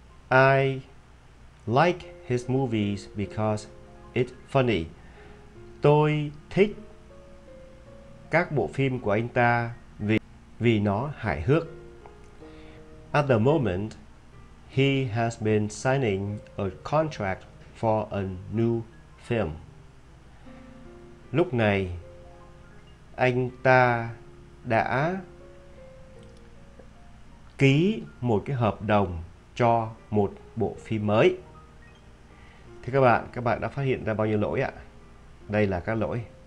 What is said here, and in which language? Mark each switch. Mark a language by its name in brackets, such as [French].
[English] I like his movies because it's funny. [Vietnamese] Tôi thích các bộ phim của anh ta vì nó hài hước. [English] At the moment, He has been signing a contract for a new film. [Vietnamese] Lúc này, anh ta đã ký một cái hợp đồng cho một bộ phim mới. Thì các bạn đã phát hiện ra bao nhiêu lỗi ạ? Đây là các lỗi.